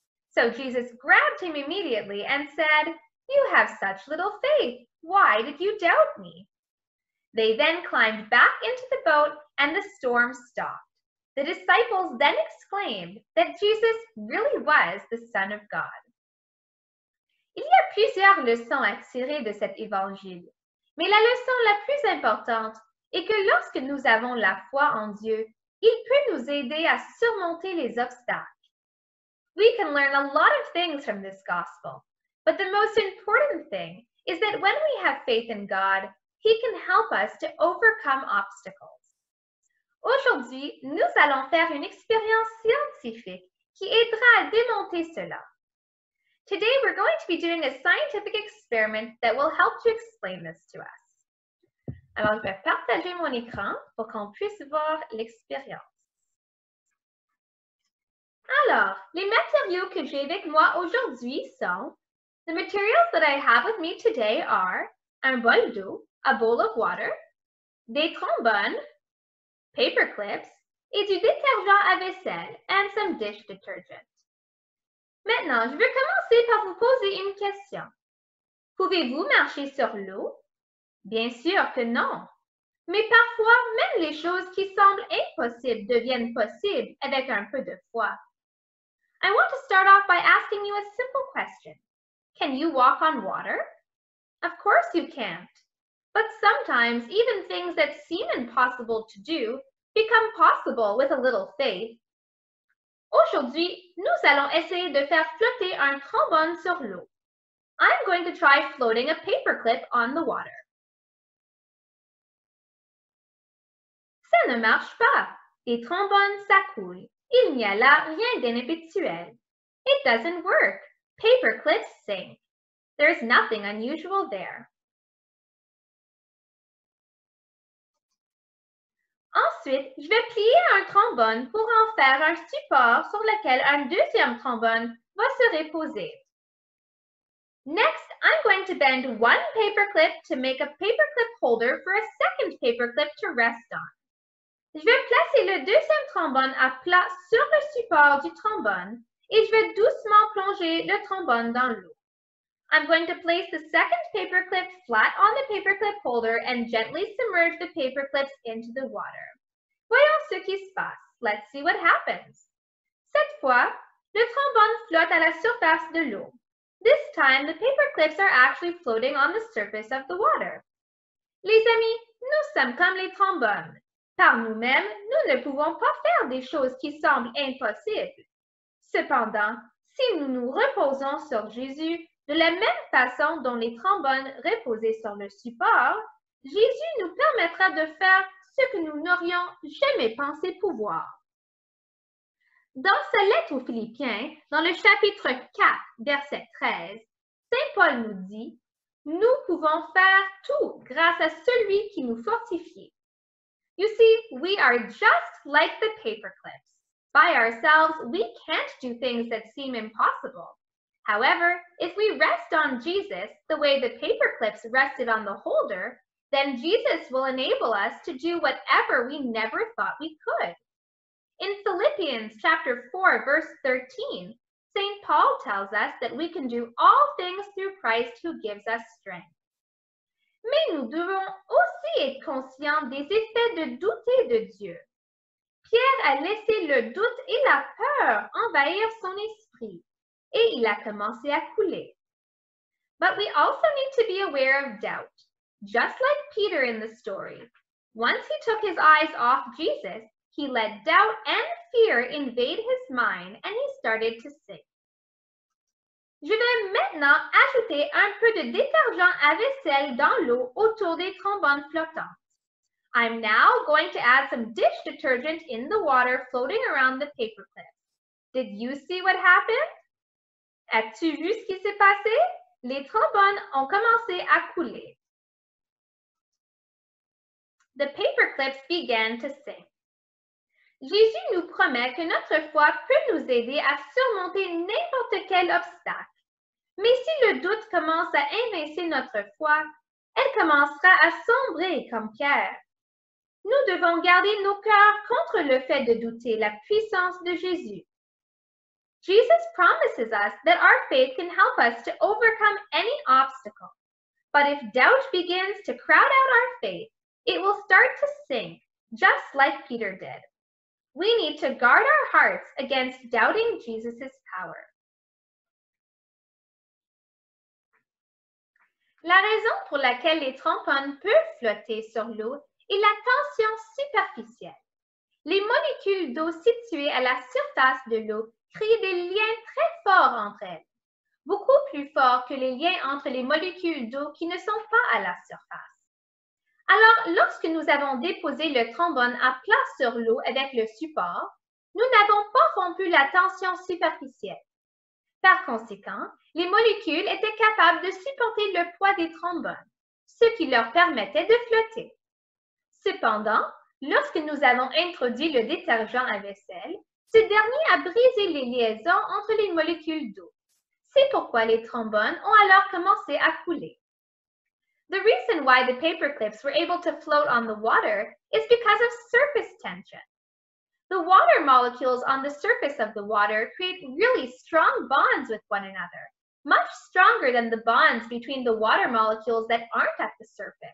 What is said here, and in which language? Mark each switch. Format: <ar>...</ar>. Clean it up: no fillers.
<en>So Jesus grabbed him immediately and said, "You have such little faith. Why did you doubt me?" They then climbed back into the boat and the storm stopped. The disciples then exclaimed that Jesus really was the Son of God.</en> <fr>Il y a plusieurs leçons à tirer de cet évangile. Mais la leçon la plus importante est que lorsque nous avons la foi en Dieu, il peut nous aider à surmonter les obstacles.</fr> <en>We can learn a lot of things from this gospel, but the most important thing is that when we have faith in God, He can help us to overcome obstacles.</en> <fr>Aujourd'hui, nous allons faire une expérience scientifique qui aidera à démontrer cela.</fr> <en>Today, we're going to be doing a scientific experiment that will help to explain this to us.</en> <fr>Alors, je vais partager mon écran pour qu'on puisse voir l'expérience. Alors, les matériaux que j'ai avec moi aujourd'hui sont</fr> <en>The materials that I have with me today are</en> <fr>un bol d'eau,</fr> <en>a bowl of water,</en> <fr>des trombones,</fr> <en>paper clips,</en> <fr>et du détergent à vaisselle,</fr> <en>and some dish detergent.</en> <fr>Maintenant, je vais commencer par vous poser une question. Pouvez-vous marcher sur l'eau? Bien sûr que non. Mais parfois, même les choses qui semblent impossibles deviennent possibles avec un peu de foi.</fr> <en>I want to start off by asking you a simple question. Can you walk on water? Of course you can't. But sometimes even things that seem impossible to do become possible with a little faith.</en> <fr>Aujourd'hui, nous allons essayer de faire flotter un trombone sur l'eau.</fr> <en>I'm going to try floating a paperclip on the water.</en> <fr>Ça ne marche pas. Les trombones, ça coule. Il n'y a là rien d'inhabituel.</fr> <en>It doesn't work. Paperclips sink. There's nothing unusual there.</en> <fr>Ensuite, je vais plier un trombone pour en faire un support sur lequel un deuxième trombone va se reposer.</fr> <en>Next, I'm going to bend one paperclip to make a paperclip holder for a second paperclip to rest on.</en> <fr>Je vais placer le deuxième trombone à plat sur le support du trombone et je vais doucement plonger le trombone dans l'eau.</fr> <en>I'm going to place the second paperclip flat on the paperclip holder and gently submerge the paperclips into the water.</en> <fr>Voyons ce qui se passe.</fr> <en>Let's see what happens.</en> <fr>Cette fois, le trombone flotte à la surface de l'eau.</fr> <en>This time, the paperclips are actually floating on the surface of the water.</en> <fr>Les amis, nous sommes comme les trombones. Par nous-mêmes, nous ne pouvons pas faire des choses qui semblent impossibles. Cependant, si nous nous reposons sur Jésus, de la même façon dont les trombones reposaient sur le support, Jésus nous permettra de faire ce que nous n'aurions jamais pensé pouvoir. Dans sa lettre aux Philippiens, dans le chapitre 4, verset 13, Saint Paul nous dit « Nous pouvons faire tout grâce à celui qui nous fortifie. »</fr> <en>You see, we are just like the paperclips. By ourselves, we can't do things that seem impossible. However, if we rest on Jesus the way the paperclips rested on the holder, then Jesus will enable us to do whatever we never thought we could. In Philippians chapter 4, verse 13, St. Paul tells us that we can do all things through Christ who gives us strength.</en> <fr>Mais nous devons aussi être conscients des effets de douter de Dieu. Pierre a laissé le doute et la peur envahir son esprit. Et il a commencé à couler.</fr> <en>But we also need to be aware of doubt, just like Peter in the story. Once he took his eyes off Jesus, he let doubt and fear invade his mind and he started to sink.</en> <fr>Je vais maintenant ajouter un peu de détergent à vaisselle dans l'eau autour des trombones flottants.</fr> <en>I'm now going to add some dish detergent in the water floating around the paperclip. Did you see what happened?</en> <fr>As-tu vu ce qui s'est passé? Les trombones ont commencé à couler.</fr> <en>The paperclips began to sink.</en> <fr>Jésus nous promet que notre foi peut nous aider à surmonter n'importe quel obstacle. Mais si le doute commence à invincer notre foi, elle commencera à sombrer comme Pierre. Nous devons garder nos cœurs contre le fait de douter la puissance de Jésus.</fr> <en>Jesus promises us that our faith can help us to overcome any obstacle. But if doubt begins to crowd out our faith, it will start to sink, just like Peter did. We need to guard our hearts against doubting Jesus' power.</en> <fr>La raison pour laquelle les trombones peuvent flotter sur l'eau est la tension superficielle. Les molécules d'eau situées à la surface de l'eau créent des liens très forts entre elles, beaucoup plus forts que les liens entre les molécules d'eau qui ne sont pas à la surface. Alors, lorsque nous avons déposé le trombone à plat sur l'eau avec le support, nous n'avons pas rompu la tension superficielle. Par conséquent, les molécules étaient capables de supporter le poids des trombones, ce qui leur permettait de flotter. Cependant, lorsque nous avons introduit le détergent à vaisselle, ce dernier a brisé les liaisons entre les molécules d'eau. C'est pourquoi les trombones ont alors commencé à couler.</fr> <en>The reason why the paperclips were able to float on the water is because of surface tension. The water molecules on the surface of the water create really strong bonds with one another, much stronger than the bonds between the water molecules that aren't at the surface.</en>